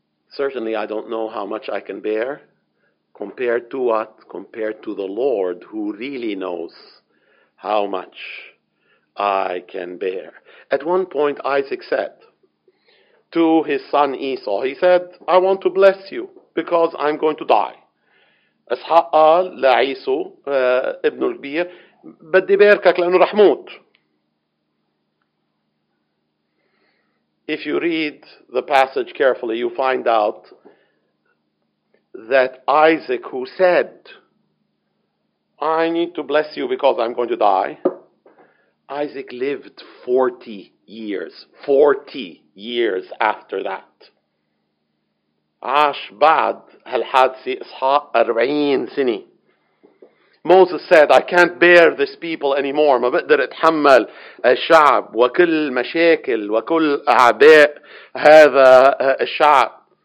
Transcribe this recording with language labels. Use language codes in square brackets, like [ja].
[en] Certainly, I don't know how much I can bear compared to what? Compared to the Lord, who really knows how much I can bear. At one point, Isaac said to his son Esau, he said, I want to bless you because I'm going to die. [ar] أسحق قال لعيسو ابن الكبير بدي باركك لأنه رح موت. [en] If you read the passage carefully, you find out that Isaac, who said, I need to bless you because I'm going to die, Isaac lived 40 years. 40 years after that. [ar] عاش بعد هالحادثة إسحاق 40 سنة. [en] Moses said, I can't bear this people anymore. [ar] ما بقدر اتحمل الشعب وكل مشاكل وكل أعباء هذا الشعب.